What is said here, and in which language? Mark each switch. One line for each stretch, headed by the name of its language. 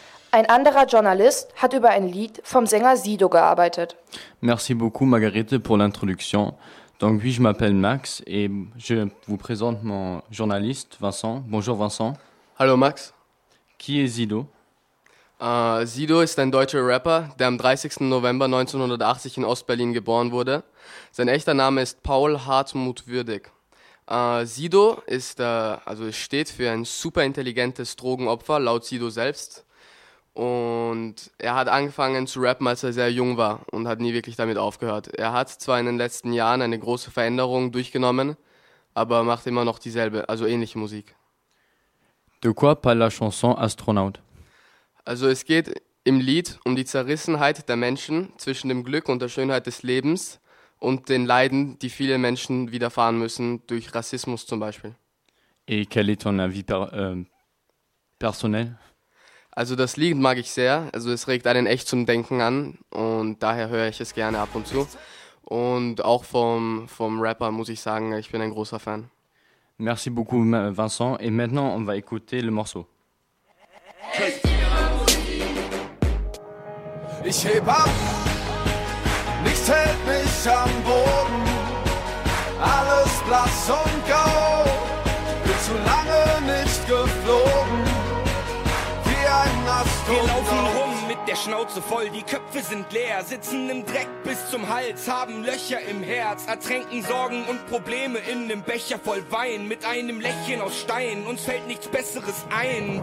German: Ein anderer Journalist hat über ein Lied vom Sänger Sido gearbeitet.
French: Merci beaucoup, Margarete, pour l'introduction. Donc oui, je m'appelle Max et je vous présente mon journaliste, Vincent. Bonjour, Vincent.
German: Hallo, Max.
French: Qui est Sido?
German: Sido ist ein deutscher Rapper, der am 30. November 1980 in Ost-Berlin geboren wurde. Sein echter Name ist Paul Hartmut Würdig. Sido ist, also steht für ein super intelligentes Drogenopfer, laut Sido selbst. Und er hat angefangen zu rappen, als er sehr jung war und hat nie wirklich damit aufgehört. Er hat zwar in den letzten Jahren eine große Veränderung durchgenommen, aber macht immer noch dieselbe, also ähnliche Musik.
French: De quoi parle la chanson Astronaut?
German: Also es geht im Lied um die Zerrissenheit der Menschen zwischen dem Glück und der Schönheit des Lebens und den Leiden, die viele Menschen widerfahren müssen, durch Rassismus zum Beispiel.
French: Et quel est ton avis personnel?
German: Also das Lied mag ich sehr, also es regt einen echt zum Denken an und daher höre ich es gerne ab und zu. Und auch vom Rapper muss ich sagen, ich bin ein großer Fan.
French: Merci beaucoup Vincent et maintenant on va écouter le morceau.
German: Ich heb ab, nichts hält mich am Boden, alles blass und grau, bin zu lange nicht geflogen. Wir laufen rum mit der Schnauze voll, die Köpfe sind leer, sitzen im Dreck bis zum Hals, haben Löcher im Herz, ertränken Sorgen und Probleme in einem Becher voll Wein, mit einem Lächeln aus Stein, uns fällt nichts Besseres ein.